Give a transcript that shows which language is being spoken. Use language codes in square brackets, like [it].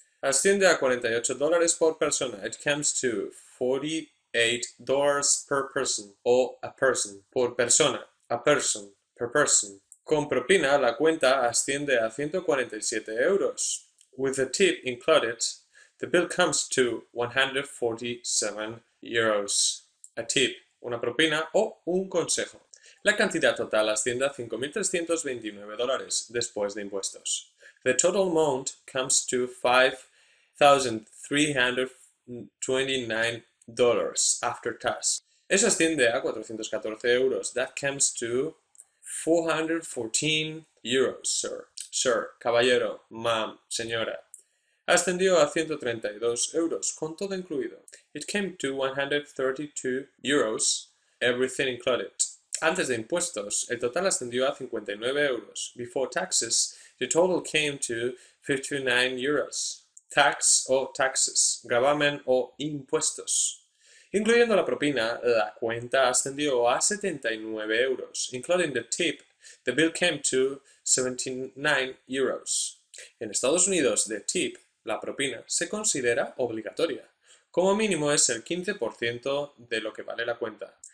[es] Asciende a 48 dólares por persona. [en] It comes to 48 dólares per person. O a person. Por persona. A person. Per person. [es] Con propina, la cuenta asciende a 147 euros. [en] With the tip included, the bill comes to 147 euros. [es] A tip, una propina o un consejo. La cantidad total asciende a 5.329 dólares después de impuestos. [en] The total amount comes to 5.329 dollars after tax. [es] Eso asciende a 414 euros. [en] That comes to 414 euros, sir. [es] Sir, caballero, ma'am, señora. Ascendió a 132 euros, con todo incluido. [en] It came to 132 euros, everything included. [es] Antes de impuestos, el total ascendió a 59 euros. [en] Before taxes, the total came to 59 euros. [es] Tax o taxes, gravamen o impuestos. Incluyendo la propina, la cuenta ascendió a 79 euros. [en] Including the tip, the bill came to 79 euros. [es] En Estados Unidos, the tip, la propina, se considera obligatoria. Como mínimo es el 15% de lo que vale la cuenta.